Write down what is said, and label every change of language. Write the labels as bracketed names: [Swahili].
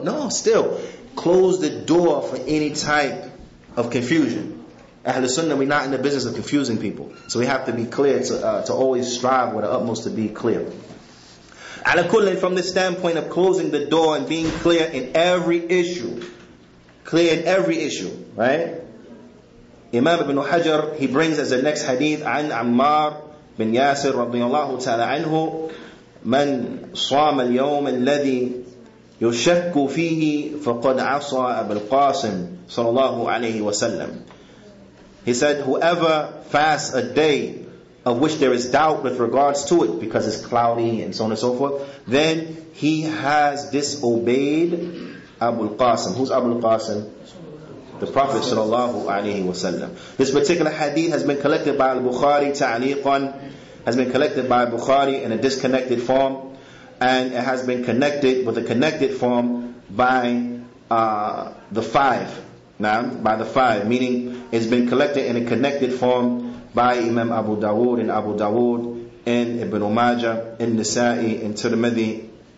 [English] No, still, close the door for any type of confusion. Ahlul Sunnah, we're not in the business of confusing people. So we have to be clear to always strive with the utmost to be clear. Alakullin, from the standpoint of closing the door and being clear in every issue. Clear in every issue, right? Imam Ibn Hajar, he brings as the next hadith, [Arabic] عن عمار بن ياسر رضي الله تعالى عنه من صام اليوم الذي يشك فيه فقد عصى أبا القاسم صلى الله عليه وسلم. [English] He said, whoever fasts a day of which there is doubt with regards to it, because it's cloudy and so on and so forth, then he has disobeyed Abu al-Qasim. Who's Abu al-Qasim? The Prophet sallallahu alayhi wa sallam. This particular hadith has been collected by al-Bukhari ta'aliqan, has been collected by al-Bukhari in a disconnected form, and it has been connected with a connected form by the five, meaning it's been collected in a connected form by Imam Abu Dawood and Abu Dawood and Ibn Majah and Nisa'i and Tirmidhi